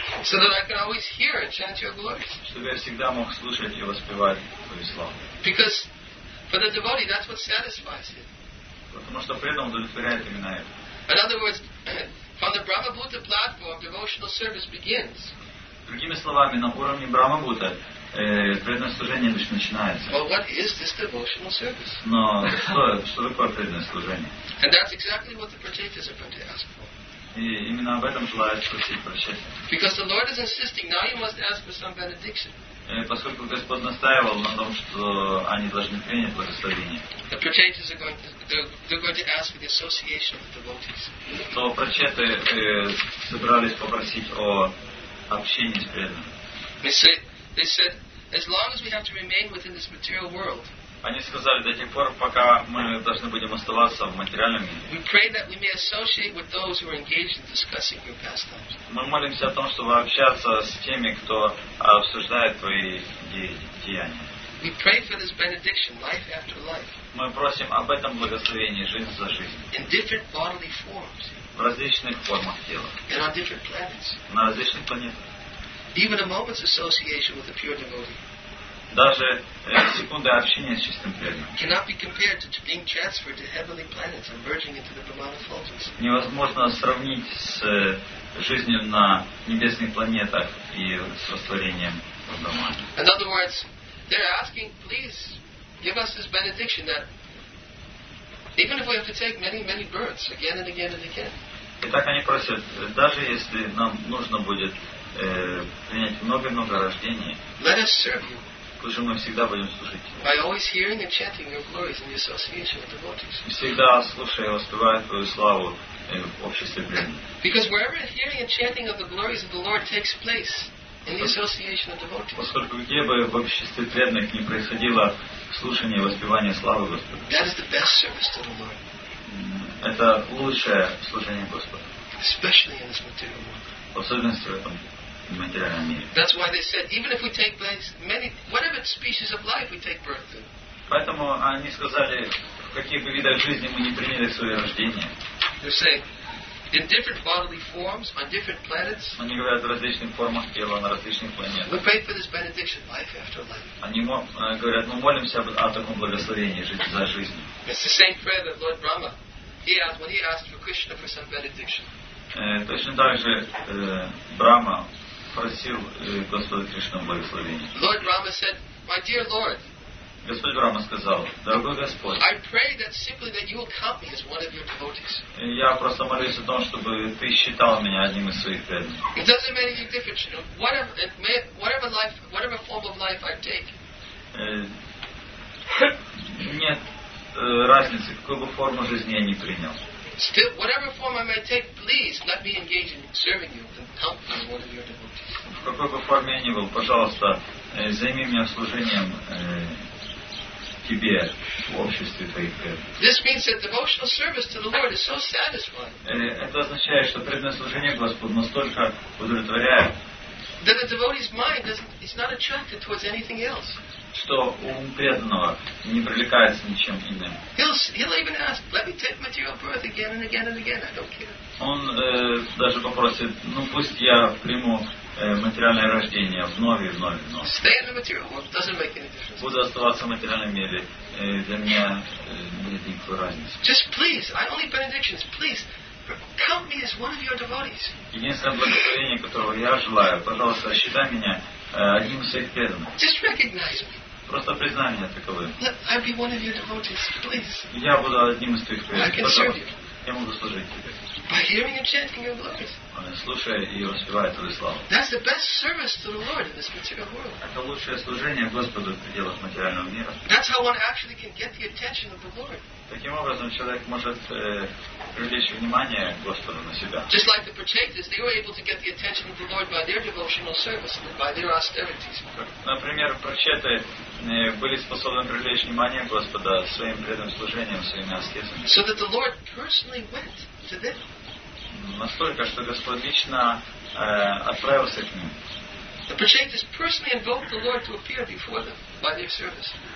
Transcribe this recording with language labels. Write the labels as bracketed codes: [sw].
[en] So that I can always hear and chant your glories. [ru] Чтобы я всегда мог слушать и воспевать твою славу. [en] Because for the devotee, that's what satisfies him. [ru] Потому что преданный удовлетворяет именно это. [en] In other words, from the Brahma Bhuta platform, devotional service begins. [ru] Другими словами, на уровне Брахма Бхута преданное служение начинается. [en] Well, what is this devotional service? [ru] Но что такое преданное служение? [en] And that's exactly what the prachetas are going to ask for. [ru] И именно об этом желают спросить прачеты. [en] Because the Lord is insisting, now you must ask for some benediction. [ru] Поскольку Господь настаивал на том, что они должны принять благословение. [en] The prachetas are going to they're going to ask for the association of devotees. [ru] То прачеты собирались попросить о общении с преданными. [en] They said, as long as we have to remain within this material world. [ru] Они сказали, до тех пор, пока мы должны будем оставаться в материальном мире. [en] We pray that we may associate with those who are engaged in discussing your pastimes. [ru] Мы молимся о том, чтобы общаться с теми, кто обсуждает твои деяния. [en] We pray for this benediction, life after life. [ru] Мы просим об этом благословении, жизнь за жизнь. [en] In different bodily forms. [ru] В различных формах тела. [en] And on different planets. [ru] На различных планетах. [en] Even a moment's association with a pure devotee. [ru] Даже секунды общения с чистым преданным. [en] Cannot be compared to being transferred to heavenly planets and merging into the Brahmana fulgence. [ru] Невозможно сравнить с жизнью на небесных планетах и с растворением в Брахмане. [en] In other words, they're asking, please give us this benediction that even if we have to take many, many births again and again and again. [ru] Итак, они просят, даже если нам нужно будет принять много-много рождений. [en] Let us serve you. [ru] Пусть мы всегда будем служить. [en] By always hearing and chanting your glories in the association with devotees. [ru] Всегда слушая и воспевая твою славу в обществе преданных. [en] Because wherever hearing and chanting of the glories of the Lord takes place in the association of devotees. [ru] Поскольку где бы в обществе преданных не происходило слушание и воспевание славы Господа. [en] That is the best service to the Lord. [ru] Это лучшее служение Господу. [en] Especially in this material world. [ru] В особенности в этом. [en] That's why they said, even if we take place, many, whatever species of life we take birth to. [ru] Поэтому они сказали, в каких бы видах жизни мы не приняли свое рождение. [en] They're saying, in different bodily forms, on different planets. [ru] Они говорят в различных формах тела на различных планетах. [en] We pray for this benediction, life after life. [ru] Они говорят, мы молимся о таком благословении, жизнь за жизнь. [en] It's the same prayer that Lord Brahma he asked, when he asked for Krishna for some benediction. [ru] Точно так же Брама просил Господа Кришну благословения. [en] Lord Rama said, my dear Lord, [ru] Господь Брама сказал, дорогой Господь, [en] I pray that simply that you will count me as one of your devotees. [ru] Я просто молюсь о том, чтобы ты считал меня одним из своих преданных. [en] It doesn't make any difference, you know, whatever form of life I take. [ru] Нет разницы, какую бы форму жизни я ни принял. [en] Still, whatever form I may take, please let me engage in serving you and count me as one of your devotees. [ru] В какой бы форме я ни был, пожалуйста, займи меня служением. Тебе, в обществе твоих. [en] This means that devotional service to the Lord is so satisfying. [ru] Это означает, что преданное служение Господу настолько удовлетворяет. [en] That the devotee's mind is not attracted towards anything else. [ru] Что ум преданного не привлекается ничем иным. [en] He'll even ask, let me take material birth again and again and again. I don't care. [ru] Он даже попросит, ну пусть я приму материальное рождение вновь и вновь и вновь. [en] Stay in the material world doesn't make any difference. [ru] Буду оставаться в материальном мире, для меня нет никакой разницы. [en] Just please, I only benedictions, please. Count me as one of your devotees. [ru] Единственное благословение, которого я желаю, пожалуйста, считай меня одним из своих преданных. [en] Just recognize me. [ru] Просто признай меня таковым. [en] I'll be one of your devotees, please. [ru] Я буду одним из твоих преданных. [en] I can serve you. [ru] Я могу служить тебе. [en] By hearing and chanting your glories. [ru] Слушая и воспевая твою славу. [en] That's the best service to the Lord in this material world. [ru] Это лучшее служение Господу в пределах материального мира. [en] That's how one actually can get the attention of the Lord. [ru] Таким образом, человек может привлечь внимание Господа на себя. [en] Just like the Purchases, they were able to get the attention of the Lord by their devotional service and by their austerities. [ru] Например, Purchases были способны привлечь внимание Господа своим преданным служением, своими аскезами. [en] So that the Lord personally went to them. [ru] Настолько, что Господь лично отправился к ним. [en] The Purchases personally invoked the Lord to appear before them by their service.